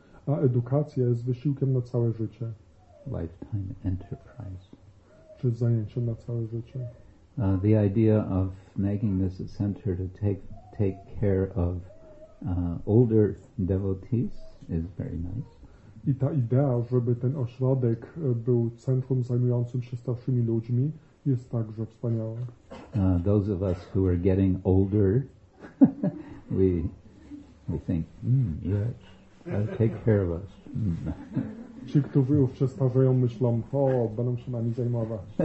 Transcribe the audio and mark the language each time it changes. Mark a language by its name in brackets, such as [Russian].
[Polish] A edukacja jest wysiłkiem na całe życie. [English] Lifetime enterprise. [Polish] Czy zajęciem na całe życie. [English] The idea of making this a center to take care of older devotees is very nice. [Polish] I ta idea, żeby ten ośrodek był centrum zajmującym się starszymi ludźmi, jest także wspaniała. [English] Those of us who are getting older, we think, yes, that'll take care of us. [Polish] Ci, którzy już się starzeją, myślą, o, będą się nami zajmować.